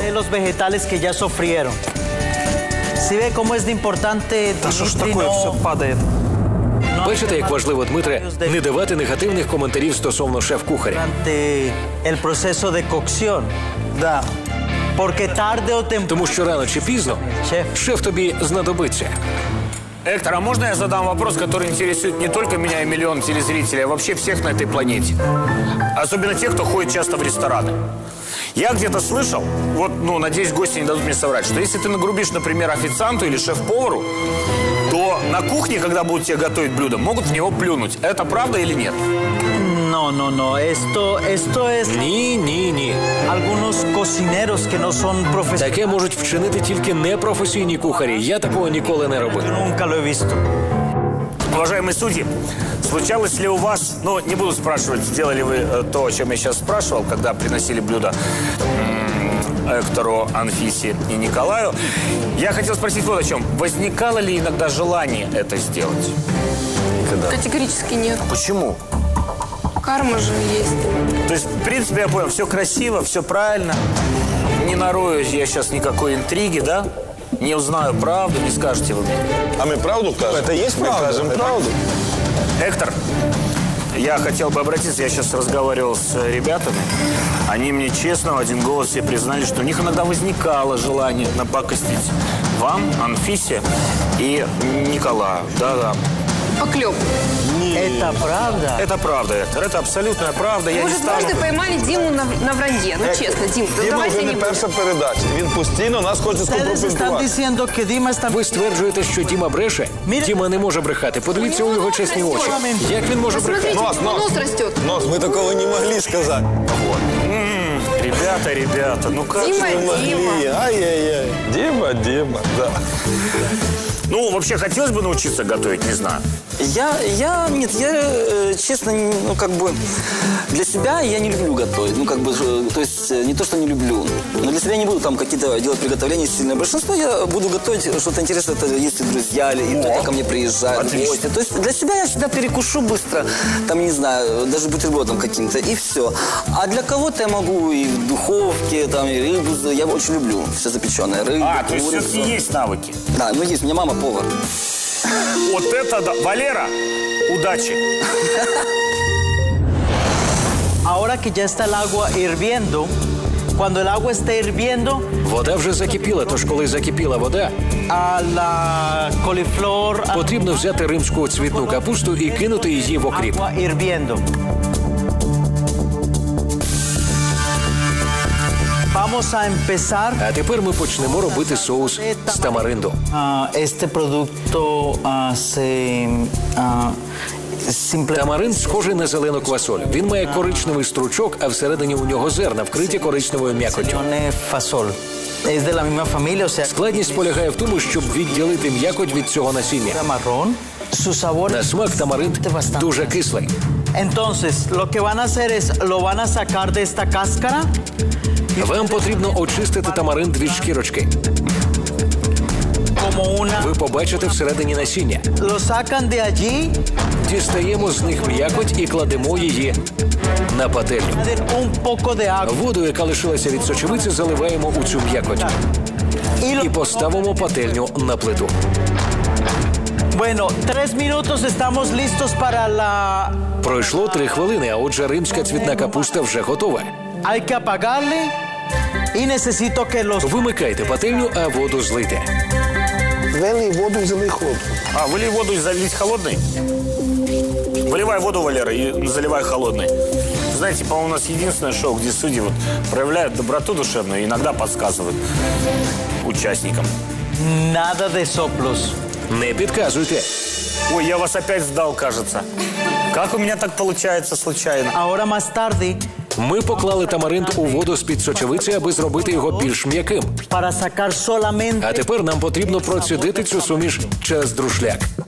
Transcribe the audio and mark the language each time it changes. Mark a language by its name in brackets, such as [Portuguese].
[Spanish] De los vegetales que ya sofrieron. Si ve cómo es de importante... [Russian] Та що ж такое, все падает. [Ukrainian] Бачите, як важливо, Дмитре, не давати негативних коментарів стосовно шеф-кухаря. [Spanish] El proceso de cocción. [Russian] Да. [Spanish] Porque tarde o temprano. [Ukrainian] Тому що рано чи пізно шеф тобі знадобиться. [Russian] Ектор, а можна я задам вопрос, который интересует не только меня и миллион телезрителей, а вообще всех на этой планете? Особенно тех, кто ходит часто в рестораны. Я где-то слышал, вот, ну, надеюсь, гости не дадут мне соврать, что если ты нагрубишь, например, официанту или шеф-повару, то на кухне, когда будут тебе готовить блюдо, могут в него плюнуть. Это правда или нет? [Spanish] No. Esto es... Ni. Algunos cocineros que no son profesionales. [Ukrainian] Таке можуть вчинити тільки непрофесійні кухарі. Я такого ніколи не робив. [Spanish] Nunca lo he visto. [Russian] Уважаемые судьи, случалось ли у вас, ну, не буду спрашивать, сделали вы то, о чем я сейчас спрашивал, когда приносили блюдо Эктору, Анфисе и Николаю. Я хотел спросить вот о чем. Возникало ли иногда желание это сделать? Никогда. Категорически нет. Почему? Карма же есть. То есть, в принципе, я понял, все красиво, все правильно. Не нарою я сейчас никакой интриги, да? Не узнаю правду, не скажете вы мне. А мы правду скажем? Это есть правда. Мы скажем правду. Эктор, я хотел бы обратиться, я сейчас разговаривал с ребятами. Они мне честно в один голос все признали, что у них иногда возникало желание напакостить вам, Анфисе и Николаю. Да-да. Поклёп. Это правда? Это правда, Эктор. Это абсолютная правда. Может, я не стану... дважды поймали Диму на вранье? Ну, честно, Дим, давайте не будем. [Ukrainian] Дима уже не перша передача. Він постійно нас хоче скомпрометувати. Ви стверджуєте, що Дима бреше? Дима не може брехати. Подивіться у його чесні очі. Як він може брехати? Нос росте. Нос, ми такого не могли сказати. [Russian] Вот. Ребята, ну как же не могли? Ай-яй-яй. Дима, да. Ну, вообще, хотелось бы научиться готовить, не знаю. Я для себя я не люблю готовить. Ну, как бы, то есть не то, что не люблю. Но для себя я не буду там какие-то делать приготовления сильное. Большинство я буду готовить что-то интересное, это если друзья или кто-то ко мне приезжает, гости. То есть для себя я всегда перекушу быстро, там, не знаю, даже бутербродом каким-то, и все. А для кого-то я могу и в духовке, там, и рыбу. Я очень люблю все запеченное. Рыбу, курицу. То есть все-таки есть навыки? Да, ну есть. У меня мама повар. Вот это да. Валера, удачи. [Spanish] Ahora que ya está el agua hirviendo, cuando el agua esté hirviendo, [Ukrainian] вода вже закипіла, тож коли закипіла вода, [Spanish] а ла коліфлор, [Ukrainian] потрібно взяти римську цвітну капусту і кинути її в окріп. [Spanish] Agua hirviendo. Vamos a empezar. [Ukrainian] А тепер ми почнемо робити соус з тамаринду. [Spanish] Este producto se [Ukrainian] Тамаринд схожий на зелену квасоль. Він має коричневий стручок, а всередині у нього зерна, вкриті коричневою м'якоттю. [Spanish] Фасоль. De la misma familia, o sea, [Ukrainian] складність полягає в тому, щоб відділити м'якоть від цього насіння. [Spanish] Тамарон. Su sabor. [Ukrainian] На смак тамаринд дуже кислий. [Spanish] Entonces, lo que van a hacer es lo van a sacar de esta cáscara. [Ukrainian] Вам потрібно очистити тамаринд від шкірочки. Ви побачите всередині насіння. [Spanish] Lo sacan de allí. [Ukrainian] Дістаємо з них м'якоть і кладемо її на пательню. Воду, яка лишилася від сочевиці, заливаємо у цю м'якоть. І поставимо пательню на плиту. [Spanish] Bueno, 3 minutos estamos listos para la... [Ukrainian] Пройшло 3 хвилини, а отже римська цвітна капуста вже готова. [Spanish] Hay que apagarle y necesito que los... [Ukrainian] Вимикайте пательню, а воду злити. Вели воду і залий холодну. А, вели воду і залий холодний? [Russian] Выливай воду, Валера, и заливай холодной. Знаете, по-моему, у нас единственное шоу, где судьи вот проявляют доброту душевную и иногда подсказывают участникам. Надо де соплюс. Не подсказывайте. Ой, я вас опять сдал, кажется. Как у меня так получается случайно? [Spanish] Ahora más tarde. [Ukrainian] Ми поклали тамаринд у воду з-під сочевиці, аби зробити його більш м'яким. [Spanish] Para sacar solamente... [Ukrainian] А тепер нам потрібно процідити цю суміш через друшляк.